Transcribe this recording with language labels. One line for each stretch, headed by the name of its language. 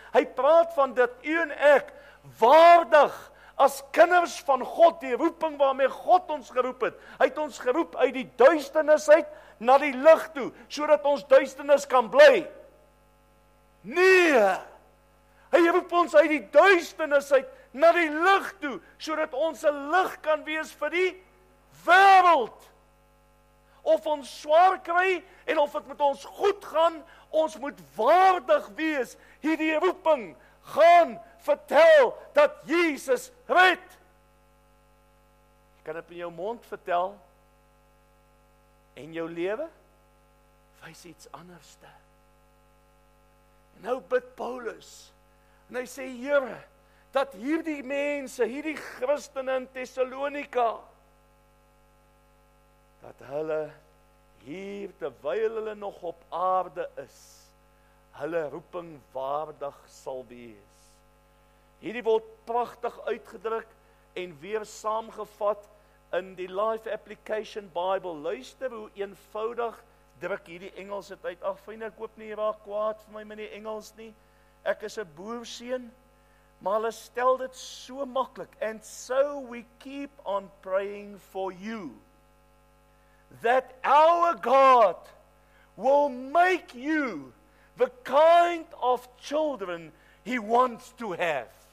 Afrikaans: Hy praat van dat u en ek waardig as kinders van God, die roeping waarmee God ons geroep het. Hy het ons geroep uit die duisternis uit na die lig toe, sodat ons duisternis kan bly. Nee! Hy roep ons uit die duisternis uit na die lig toe, sodat ons 'n lig kan wees vir die wêreld. Of ons swaar kry en of dit met ons goed gaan, ons moet waardig wees hierdie roeping gaan vertel dat Jesus red. Kan dit in jou mond vertel en jou lewe wys iets anderste. En nou bid Paulus en hy sê, Here, dat hierdie mense, hierdie Christene in Thessalonika, dat hulle hier, terwyl hulle nog op aarde is, hulle roeping waardig sal wees. Hierdie word prachtig uitgedruk en weer saamgevat in die Life Application Bible. Luister hoe eenvoudig druk hierdie Engels het uit. Ach vriend, ek hoop nie raak kwaad vir my met die Engels nie. Ek is 'n boerseun, maar hulle stel dit so maklik.
English: And so we keep on praying for you, that our God will make you the kind of children He wants to have.